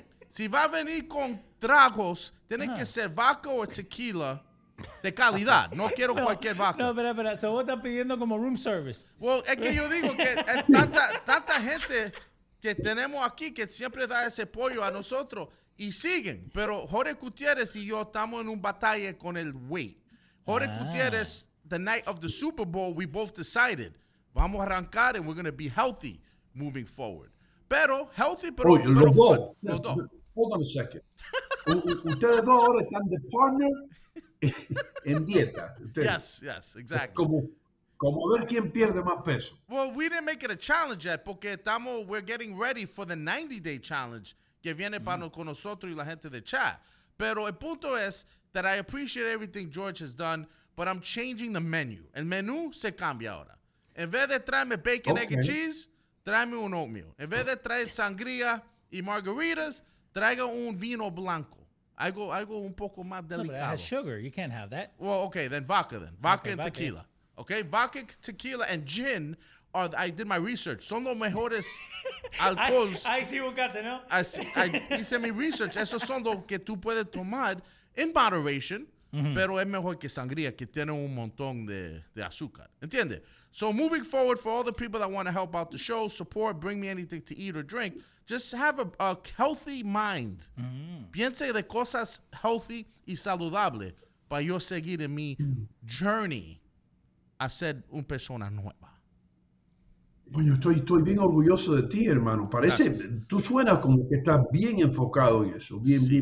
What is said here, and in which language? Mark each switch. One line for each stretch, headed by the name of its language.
Spanish: Si va a venir con tragos, tiene que ser vodka o tequila de calidad. No quiero cualquier vodka. No, espera. So vos estás pidiendo como room service. Well, es que yo digo que es tanta gente que tenemos aquí que siempre da ese pollo a nosotros y siguen. Pero Jorge Gutiérrez y yo estamos en un batalla con el weight.
English: Jorge Gutiérrez, the night of the Super Bowl, we both decided,
Spanish: vamos a arrancar
English: and we're going to be healthy moving forward.
Spanish: Pero, healthy, pero... Oye, los dos.
English: Hold on a second.
Spanish: Ustedes dos ahora están de partner en dieta. Ustedes.
English: Yes, exactly.
Spanish: Como ver quién pierde más peso.
English: Well, we didn't make it a challenge yet
Spanish: porque
English: we're getting ready for the 90-day challenge
Spanish: que viene para con nosotros y la gente de chat. Pero el punto es
English: that I appreciate everything George has done, but I'm changing the menu.
Spanish: El menú se cambia ahora. En vez de traerme
English: bacon, egg, and cheese...
Spanish: Tráeme un oatmeal. En vez de traer sangría y margaritas, traiga un vino blanco. Algo un poco más delicado.
English: No, but it has sugar. You can't have that. Well, okay, then vodka then. Vodka and tequila. Okay, vodka, tequila, and gin are, I did my research,
Spanish: son los mejores alcoholes. Ahí sí buscaste, ¿no? I hice mi research. Esos son los que tú puedes tomar
English: in moderation,
Spanish: pero es mejor que sangría, que tiene un montón de azúcar. ¿Entiendes?
English: So moving forward, for all the people that want to help out the show, support, bring me anything to eat or drink, just have a healthy mind.
Spanish: Piense de cosas healthy y saludable para yo seguir en mi
English: journey
Spanish: a ser una persona nueva. Bueno, estoy bien orgulloso de ti, hermano. Parece, gracias. Tú suenas como que estás bien enfocado en eso, bien, sí.